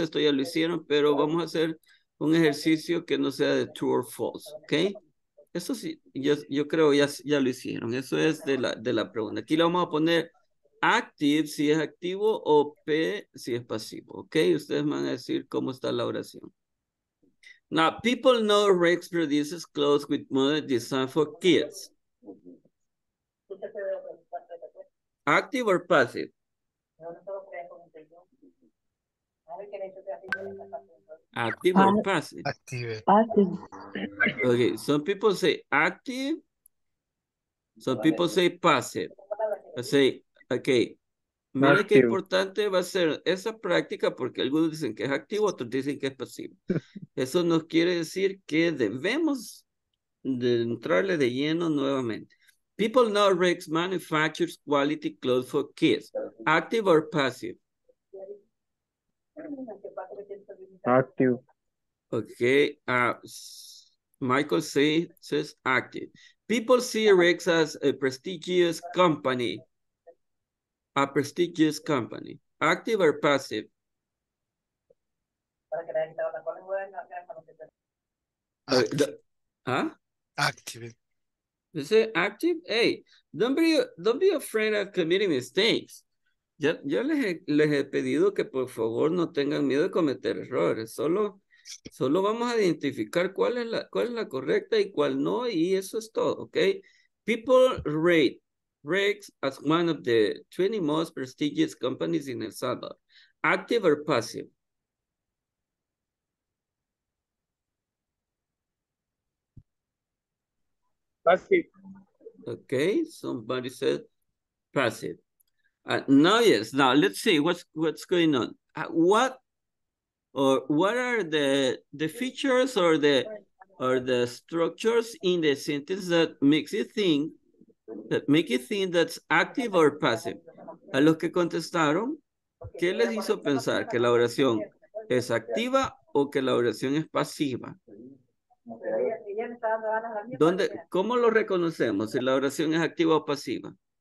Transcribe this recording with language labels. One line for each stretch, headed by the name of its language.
Spanish: Esto ya lo hicieron, pero vamos a hacer un ejercicio que no sea de
English: true or false,
Spanish: okay? Eso sí, yo creo ya lo hicieron. Eso es de la pregunta. Aquí le vamos a poner active si es activo o P si es pasivo, okay? Ustedes van a decir cómo está la oración.
English: Now, people know Rex produces clothes with modern design for kids. Active or passive? Active or passive? Active. Passive. Okay, some people say active. Some people say passive. I say, okay.
Spanish: Mira qué importante va a ser esa práctica, porque algunos dicen que es activo, otros dicen que es pasivo. Eso nos quiere decir que debemos de entrarle de lleno nuevamente.
English: People know Rex manufactures quality clothes for kids. Active or passive? Active. Okay. Michael says active. People see Rex as a prestigious company. A prestigious company. Active or passive? Active. You say active? Hey, don't be afraid of committing mistakes.
Spanish: Yo les he pedido que por favor no tengan miedo de cometer errores. Solo vamos a identificar cuál es la correcta y cuál no, y eso es todo, okay?
English: People rate Rex as one of the 20 most prestigious companies in El Salvador. Active or passive? Passive. Okay, somebody said passive. Now let's see what's going on. What are the features or the structures in the sentence that make you think that's active or passive?
Spanish: A los que contestaron, ¿qué les hizo pensar? ¿Que la oración es activa o que la oración es pasiva? ¿Dónde, cómo lo reconocemos? ¿Si la oración es activa o pasiva?